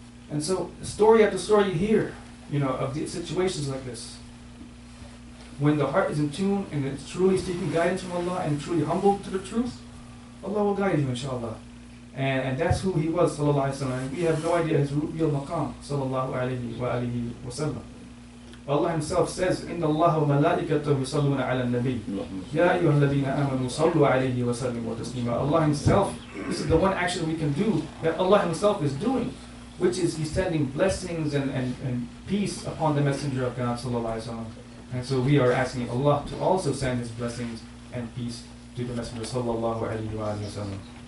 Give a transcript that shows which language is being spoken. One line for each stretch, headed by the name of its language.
English: And so, story after story you hear, you know, of the situations like this. When the heart is in tune and it's truly seeking guidance from Allah and truly humble to the truth, Allah will guide you, inshallah. And that's who he was, sallallahu alayhi wa sallam. We have no idea his real maqam, sallallahu alayhi wa alihi wa sallam.
Arabic: Allah himself says, إِنَّ اللَّهَ وَمَلَائِكَتَهُ يُصَلُّونَ عَلَى النَّبِيِّ يَا أَيُّهَا الَّذِينَ آمَنُوا صَلُّوا عَلَيْهِ وَسَلِّمُوا تَسْلِيمًا.
English: Allah himself, this is the one action we can do that Allah himself is doing, which is he's sending blessings and peace upon the Messenger of God, sallallahu alayhi wa sallam. And so we are asking Allah to also send his blessings and peace to the Messenger, sallallahu alayhi wa sallam.